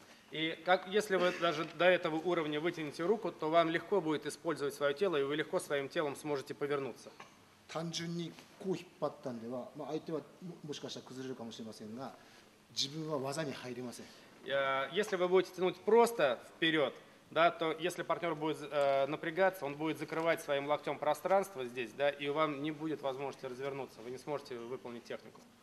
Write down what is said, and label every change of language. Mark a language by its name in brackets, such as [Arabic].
[Russian] И как, если вы даже до этого уровня вытянете руку, то вам легко будет использовать свое тело, и вы легко своим телом сможете повернуться. [Japanese] 単純にこう引っ張ったんでは、まあ相手はもしかしたら崩れるかもしれませんが、自分は技に入りません。 [Russian] Если вы будете тянуть просто вперед, да, то если партнер будет напрягаться, он будет закрывать своим локтем пространство здесь, да, и вам не будет возможности развернуться, вы не сможете выполнить технику.